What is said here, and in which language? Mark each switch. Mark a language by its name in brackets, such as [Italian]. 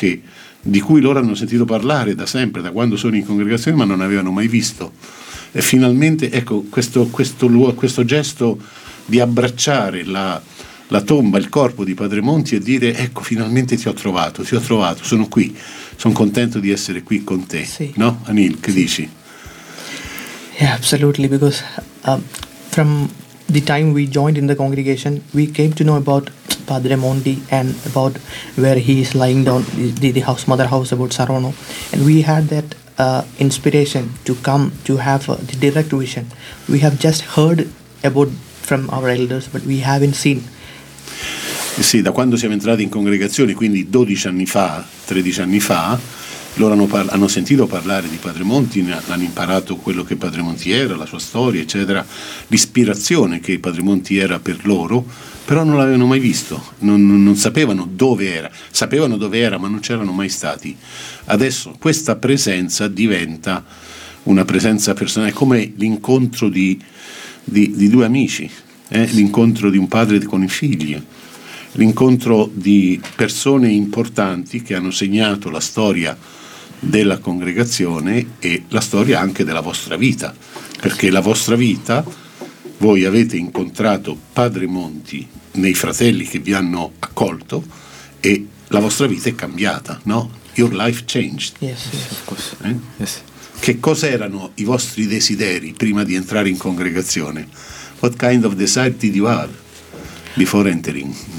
[Italian] Che, di cui loro hanno sentito parlare da sempre, da quando sono in congregazione, ma non avevano mai visto. E finalmente, ecco, questo gesto di abbracciare la tomba, il corpo di Padre Monti e dire ecco finalmente ti ho trovato, sono qui, sono contento di essere qui con te, sì. No? Anil, che dici? [English] Yeah, absolutely, because from the time we joined in the congregation we came to know about Padre Monti and about where he is lying down, the house, mother house, about Saronno, and we had that inspiration to come to have the direct vision. We have just heard about from our elders but we haven't seen. [Italian] Sì, da quando siamo entrati in congregazione, quindi 12 anni fa, 13 anni fa, loro hanno sentito parlare di Padre Monti, hanno imparato quello che Padre Monti era, la sua storia, eccetera, l'ispirazione che Padre Monti era per loro, però non l'avevano mai visto, non sapevano dove era, sapevano dove era, ma non c'erano mai stati. Adesso questa presenza diventa una presenza personale, come l'incontro di due amici, l'incontro di un padre con i figli, l'incontro di persone importanti che hanno segnato la storia della congregazione e la storia anche della vostra vita, perché la vostra vita, voi avete incontrato Padre Monti nei fratelli che vi hanno accolto e la vostra vita è cambiata, no? [English] Your life changed. Yes. [Italian] Che cos'erano i vostri desideri prima di entrare in congregazione? [English] What kind of desire did you have before entering?